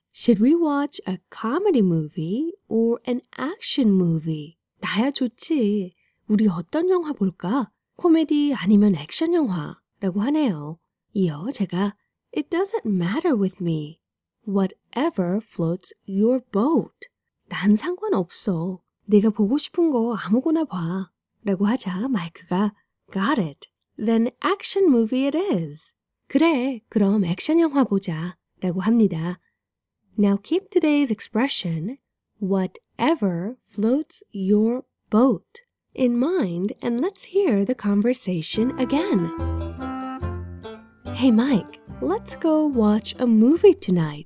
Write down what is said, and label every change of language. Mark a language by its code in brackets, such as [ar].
[en] Should we watch a comedy movie or an action movie? [ko] 나야 좋지. 우리 어떤 영화 볼까? 코미디 아니면 액션 영화 라고 하네요. 이어 제가 [en] It doesn't matter with me. Whatever floats your boat. [ko] 난 상관없어. 네가 보고 싶은 거 아무거나 봐. 라고 하자 마이크가 [en] Got it. Then action movie it is. [ko] 그래, 그럼 액션 영화 보자. 라고 합니다. [en] Now keep today's expression, whatever floats your boat, in mind and let's hear the conversation again. Hey Mike, let's go watch a movie tonight.